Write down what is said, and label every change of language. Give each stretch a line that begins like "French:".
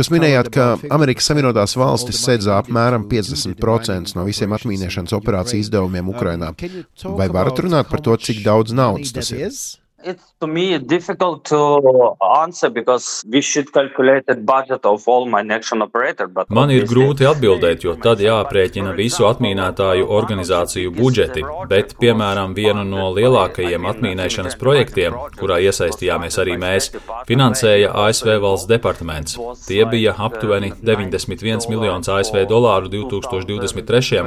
Latvian: Jūs minējāt, ka Amerikas Savienotās Valstis sedzā apmēram 50% no visiem atmīnēšanas operāciju izdevumiem Ukrainā. Vai varat runāt par to, cik daudz naudas tas ir?
English: It's to me difficult to answer because we should calculate the budget of all my action operator but
Latvian: Man ir grūti atbildēt, jo tad jāaprēķina visu atmīnētāju organizāciju budžeti, bet piemēram vienu no lielākajiem atmīnēšanas projektiem, kurā iesaistījāmies arī mēs, finansēja ASV valsts departaments. Tie bija aptuveni 91 miljonus ASV dolāru 2023.